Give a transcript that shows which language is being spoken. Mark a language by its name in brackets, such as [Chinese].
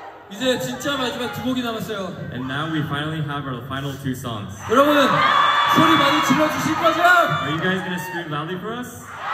[Korean] 이제 진짜 마지막 두 곡이 남았어요. [English] And now we finally have our final two songs. [Korean] 여러분, 소리 많이 질러주실 거죠? [English] Are you guys gonna scream loudly for us?